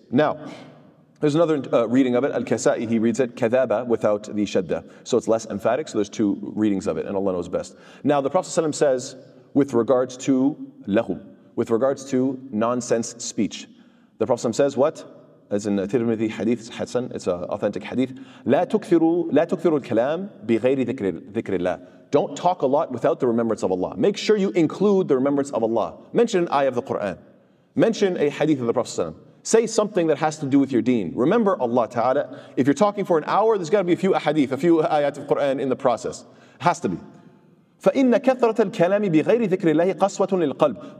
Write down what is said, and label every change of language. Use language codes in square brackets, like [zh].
[en] Now, there's another reading of it. Al-Kasa'i, he reads it, kathaba, without the shadda. So it's less emphatic, so there's two readings of it, and Allah knows best. Now, the Prophet ﷺ says, with regards to lahum, with regards to nonsense speech, the Prophet ﷺ says what? As in Tirmidhi hadith, Hassan, it's an authentic hadith. [ar] لا تكثروا الكلام بغير ذكر الله. [en] Don't talk a lot without the remembrance of Allah. Make sure you include the remembrance of Allah. Mention an ayah of the Quran. Mention a hadith of the Prophet ﷺ. Say something that has to do with your deen. Remember Allah Ta'ala. If you're talking for an hour, there's got to be a few ahadith, a few ayat of Quran in the process. It has to be. [ar] فَإِنَّ كَثْرَةَ الْكَلَامِ بِغَيْرِ ذِكْرِ اللَّهِ قَصْوَةٌ لِلْقَلْبِ.